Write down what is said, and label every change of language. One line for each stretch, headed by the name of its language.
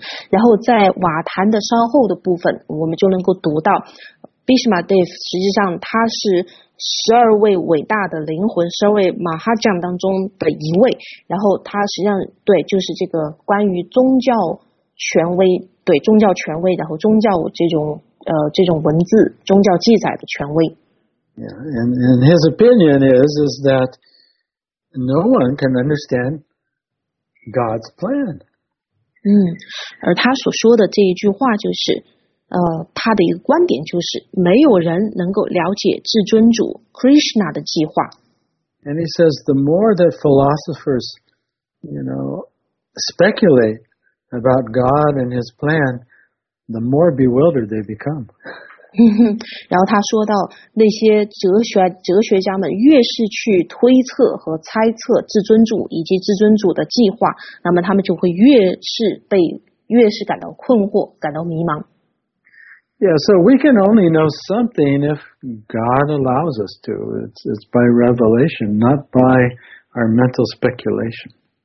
Chinese: 然后在瓦坛的稍后的部分，我们就能够读到 Bhishma Dev 实际上他是12位伟大的灵魂12位 Mahajan 当中的一位，然后他实际上对就是这个关于宗教权威，对宗教权威，然后宗教这种文字宗教记载的权威。
English: Yeah, and his opinion is that no one can understand God's plan.
Chinese: 而他所说的这一句话就是他的一个观点就是没有人能够了解至尊主 Krishna 的计划。
English: And he says the more that philosophers, you know, speculate about God and his plan, the more bewildered they become.
Chinese: 然后他说到那些哲学家们越是去推测和猜测至尊主以及至尊主的计划，那么他们就会越是感到困惑，感到迷茫。
English: Yeah, so we can only know something if God allows us to. It's by revelation, not by our mental speculation.